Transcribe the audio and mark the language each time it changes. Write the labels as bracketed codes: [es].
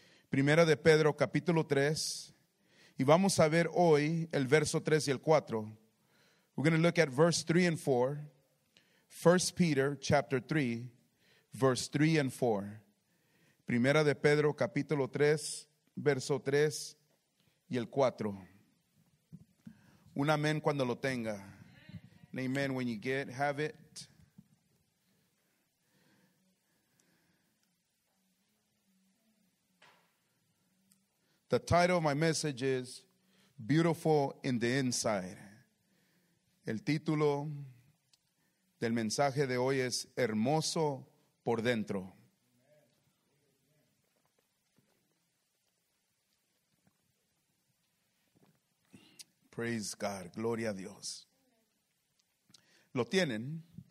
[es] Primera de Pedro capítulo 3. Y vamos a ver hoy el verso 3 y el 4. [en] We're going to look at verse 3 and 4. 1 Peter chapter 3. Verse 3 and 4. [es] Primera de Pedro, capítulo 3, verso 3 y el 4. Un amén cuando lo tenga. [en] Amen when you get, have it. The title of my message is Beautiful in the Inside. [es] El título del mensaje de hoy es Hermoso por dentro. [en] Praise God, [es] gloria a Dios. Lo tienen.